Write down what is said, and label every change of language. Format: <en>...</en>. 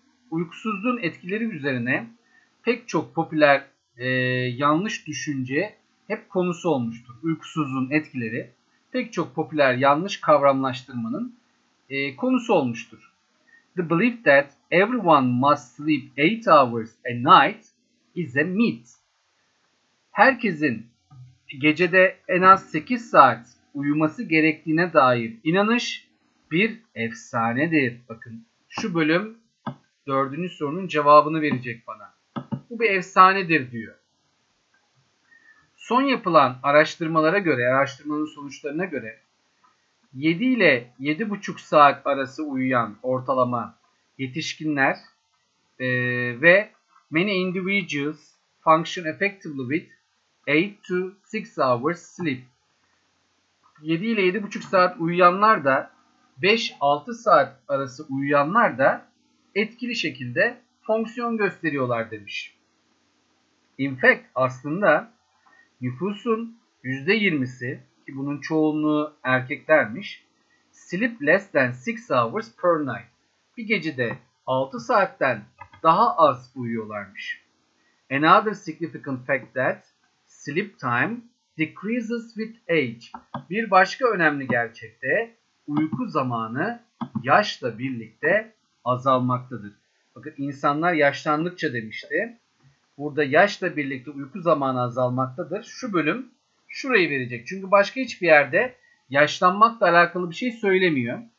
<tr>Uykusuzluğun etkileri üzerine pek çok popüler yanlış düşünce hep konusu olmuştur. Uykusuzluğun etkileri pek çok popüler yanlış kavramlaştırmanın konusu olmuştur.</tr> <en>The belief that everyone must sleep 8 hours a night is a myth.</en> <tr>Herkesin gecede en az 8 saat uyuması gerektiğine dair inanış bir efsanedir. Bakın şu bölüm 4. sorunun cevabını verecek bana. Bu bir efsanedir diyor. Son yapılan araştırmalara göre, araştırmanın sonuçlarına göre 7 ile 7,5 saat arası uyuyan ortalama yetişkinler ve</tr> <en>many individuals function effectively with 8 to 6 hours sleep.</en> <tr>7 ile 7,5 saat uyuyanlar da 5-6 saat arası uyuyanlar da etkili şekilde fonksiyon gösteriyorlar demiş.</tr> <en>In fact,</en> <tr>aslında nüfusun %20'si, ki bunun çoğunluğu erkeklermiş,</tr> <en>sleep less than 6 hours per night.</en> <tr>Bir gecede 6 saatten daha az uyuyorlarmış.</tr> <en>Another significant fact that sleep time decreases with age.</en> <tr>Bir başka önemli gerçek de uyku zamanı yaşla birlikte azalmaktadır. Bakın insanlar yaşlandıkça demişti. Burada yaşla birlikte uyku zamanı azalmaktadır. Şu bölüm şurayı verecek. Çünkü başka hiçbir yerde yaşlanmakla alakalı bir şey söylemiyor.</tr>